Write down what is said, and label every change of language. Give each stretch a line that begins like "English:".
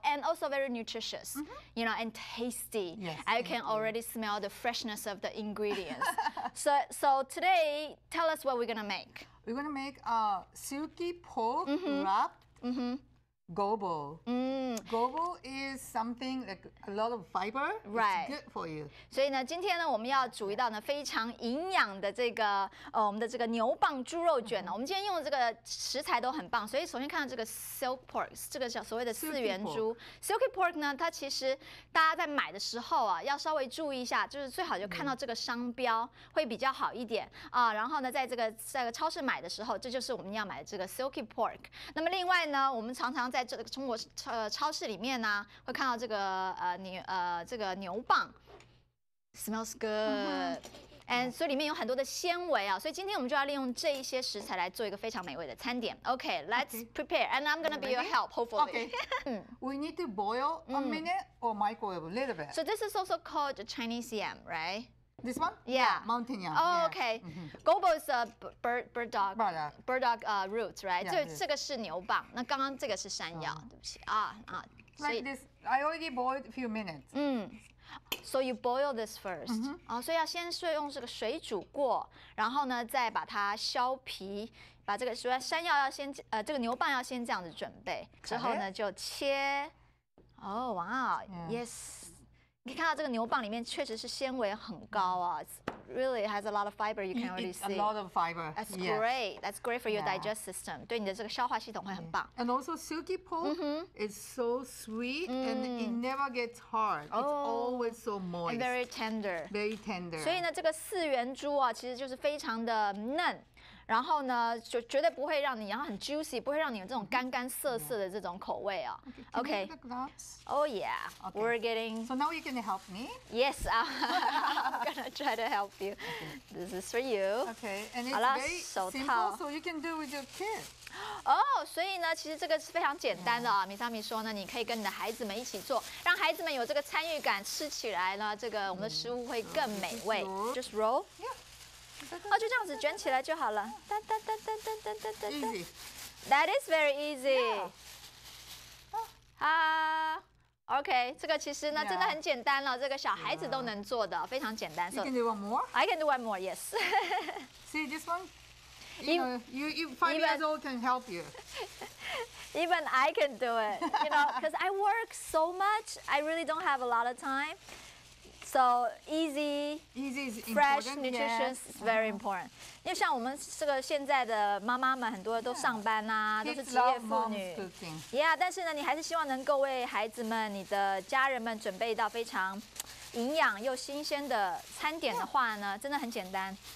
English: and also very nutritious, you know, and tasty. Yes, I can already smell the freshness of the ingredients. So today, tell us what we're going to make. We're going to make a silky pork wrapped gobo. Gobo is something like a lot of fiber. Right. It's good for you.
Chinese: 所以呢，今天呢，我们要煮一道呢非常营养的这个我们的这个牛蒡猪肉卷呢。我们今天用的这个食材都很棒，所以首先看到这个 silk pork， 这个叫所谓的四元猪。 Silky pork 呢，它其实大家在买的时候啊，要稍微注意一下，就是最好就看到这个商标会比较好一点啊。然后呢，在这个超市买的时候，这就是我们要买的这个 silky pork。那么另外呢，我们常常在这个中国超市里面呢，会看到这个这个牛蒡 ，
English: smells good，and
Chinese: 所以里面有很多的纤维啊，所以今天我们就要利用这一些食材来做一个非常美味的餐点。
English: Okay, let's prepare, and I'm gonna be your help, hopefully. Okay, we need to boil a minute or microwave a little bit. So this is also called Chinese yam, right? This one? Yeah. Mountain yam. Oh, okay. Gobo is a burdock. Burdock root, right? So, this is
Chinese: 牛蒡.那刚刚这个是山药.对不起.
English: Like this. I already boiled a few minutes. So, you boil this first. So,
Chinese: 要先用这个水煮过，然后呢，再把它削皮，把这个山药要先，这个牛蒡要先这样子准备，之后呢，就切。
English: Oh, wow. Yes.
Chinese: 你可以看到这个牛蒡里面确实是纤维很高啊
English: ，It really has a lot of fiber. You can already see a lot of fiber. That's great. That's great for your digestive system.
Chinese: 对你的这个消化系统会很棒。
English: And also, silky pork is so sweet and it never gets hard. It's always so moist and very tender. Very tender.
Chinese: 所以呢，这个四元猪啊，其实就是非常的嫩。然后呢，就绝对不会让你，然后很 juicy， 不会让你有这种干干涩涩的这种口味哦。
English: Okay. Oh yeah. Okay. We're getting. So now you're gonna help me. Yes, I'm gonna try to help you. Okay. This is for you. Okay. And it's very simple, so you can do with your kids.
Chinese: 所以呢，其实这个是非常简单的啊。米桑米说呢，你可以跟你的孩子们一起做，让孩子们有这个参与感，吃起来呢，这个我们的食物会更美味。
English: Just roll. Yeah.
Chinese: 哦，就这样子卷起来就好了。噔噔噔噔噔噔噔噔。
English: Easy. That is very easy. Yeah.
Chinese: OK, 这个其实呢真的很简单了，这个小孩子都能做的，非常简单。
English: You can do one more? I can do one more, yes. See this one? You five years old can help you. Even I can do it, you know, because I work so much, I really don't have a lot of time. So easy, fresh, nutritious is very important.
Chinese: 因为像我们这个现在的妈妈们，很多都上班啊，都是职业妇女。 Yeah, 但是呢，你还是希望能够为孩子们、你的家人们准备一道非常营养又新鲜的餐点的话呢，真的很简单。